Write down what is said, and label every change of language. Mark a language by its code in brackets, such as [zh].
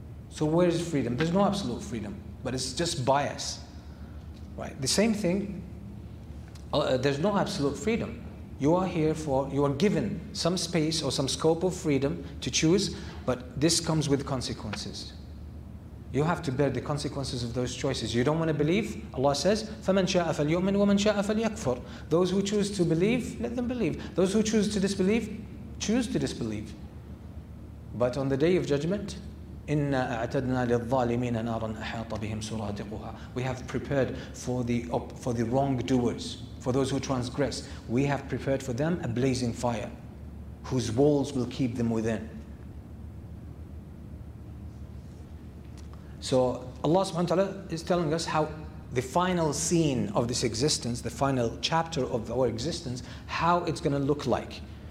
[en] So where is freedom? There's no absolute freedom, but it's just bias, right? The same thing, there's no absolute freedom. You are here for, you are given some space or some scope of freedom to choose, but this comes with consequences. You have to bear the consequences of those choices. You don't want to believe? Allah says, [ar] فَمَن شَاءَ فَلْيُؤْمِنْ وَمَن شَاءَ فَلْيَكْفُرْ. [en] Those who choose to believe, let them believe. Those who choose to disbelieve, choose to disbelieve. But on the day of judgment, [ar] إِنَّا أَعْتَدْنَا لِلظَّالِمِينَ نَارًا أَحَاطَ بِهِمْ سُرَادِقُهَا. [en] We have prepared for the wrongdoers, for those who transgress. We have prepared for them a blazing fire, whose walls will keep them within. So Allah subhanahu wa ta'ala is telling us how the final scene of this existence, the final chapter of our existence, how it's going to look like.